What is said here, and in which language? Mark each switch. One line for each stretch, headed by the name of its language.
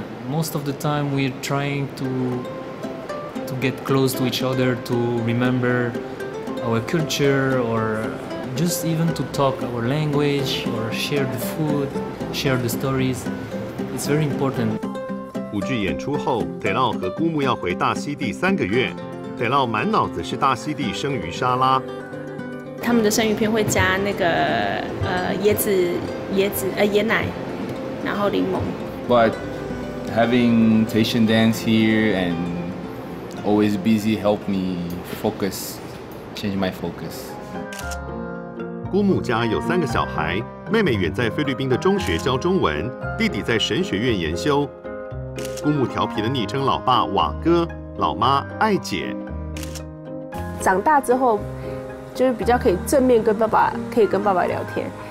English: Most of the time, we're trying to get close to each other to remember our culture or just even to talk our language or share the food, share the stories, it's very important.
Chinese: 舞剧演出后，铁烙和姑母要回大溪地三个月。铁烙满脑子是大溪地生鱼沙拉。他们的生鱼片会加那个椰奶，然后柠檬。
English: But having Tahitian dance here and always busy help me focus, change my focus.
Chinese: 姑母家有三个小孩，妹妹远在菲律宾的中学教中文，弟弟在神学院研修。姑母调皮的昵称老爸瓦哥，老妈爱姐。长大之后，就是比较可以正面跟爸爸，可以跟爸爸聊天。